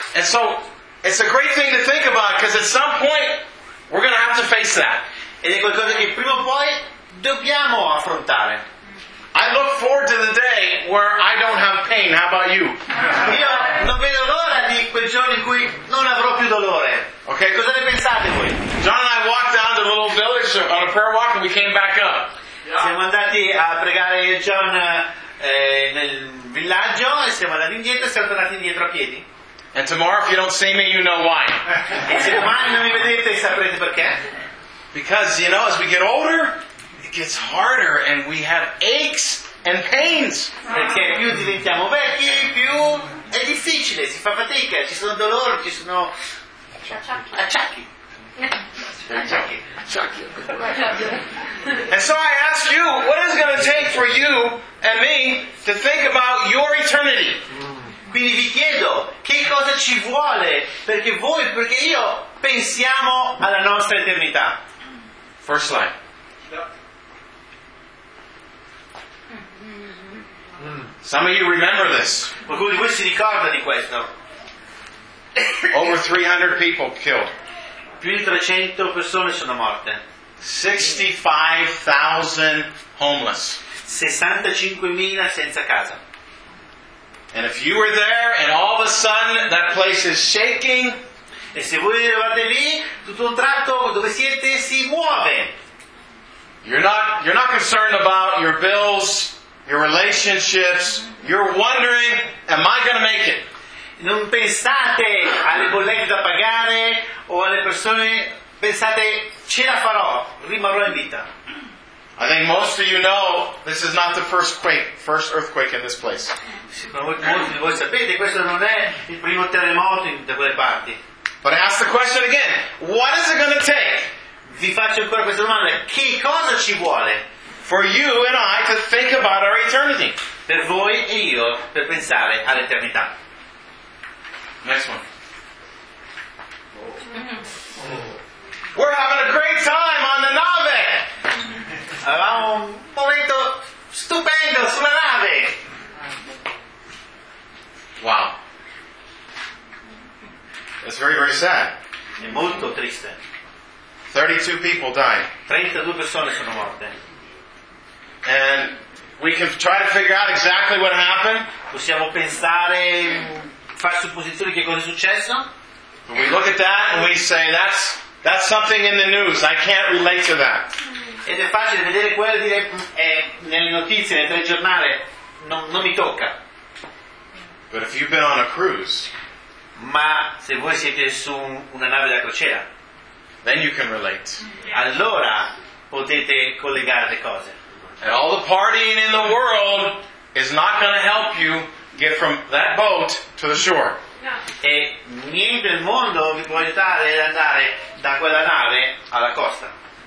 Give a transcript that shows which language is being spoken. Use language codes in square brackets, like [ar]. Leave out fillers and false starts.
[en] And so it's a great thing to think about because at some point we're going to have to face that. [it] Ed è qualcosa che prima o poi dobbiamo affrontare. [en] I look forward to the day where I don't have pain. How about you? [it] Io non vedo l'ora di quel giorno in cui non avrò più dolore. [en] Okay. [it] Cosa ne pensate voi? [en] John and I walked down to the little village on a prayer walk and we came back up. Yeah. [it] Siamo andati a pregare John nel villaggio e siamo andati indietro e siamo tornati indietro a piedi. [en] And tomorrow if you don't see me you know why. [it] E se domani non mi vedete saprete perché. [en] Because you know as we get older it gets harder and we have aches and pains. [it] Perché più diventiamo vecchi più è difficile, si fa fatica, ci sono dolori, ci sono acciacchi. [en] And so I ask you, what is it going to take for you and me to think about your eternity? [it] Quindi vi chiedo, che cosa ci vuole perché voi, perché io, pensiamo alla nostra eternità? [en] First slide. Some of you remember this. [it] Qualcuno di voi si ricorda di questo? [en] Over 300 people killed. [it] Più di 300 persone sono morte. [en] 65,000 homeless. [it] 65,000 senza casa. [en] And if you were there and all of a sudden that place is shaking, [it] e se voi eravate lì, tutto un tratto dove siete si muove. [en] You're not concerned about your bills, your relationships, you're wondering, am I going to make it? [it] Non pensate alle bollette da pagare o alle persone, pensate ce la farò, rimarrò in vita. [en] I think most of you know this is not the first earthquake in this place. [it] Molti di voi sapete questo non è il primo terremoto in tutte quelle parti. [en] But I ask the question again, what is it going to take? [it] Vi faccio ancora questa domanda, che cosa ci vuole? [en] For you and I to think about our eternity. [it] Per voi e io per pensare all'eternità. [en] Next one. We're having a great time on the nave. [it] Avevamo un momento stupendo sulla nave. [en] Wow. That's very, very sad. [it] È molto triste. [en] 32 people died. [it] 32 persone sono morte. [en] And we can try to figure out exactly what happened. [it] Possiamo pensare, fare supposizioni che cosa è successo. [en] But we look at that and we say that's something in the news. I can't relate to that. [it] Ed è facile vedere quello e dire nelle notizie, nel telegiornale, non mi tocca. [en] But if you've been on a cruise, [it] ma se voi siete su una nave da crociera, [en] then you can relate. [it] Allora potete collegare le cose. [en] And all the partying in the world is not going to help you get from that boat to the shore. [it] E niente nel mondo vi può aiutare ad andare da quella nave alla costa.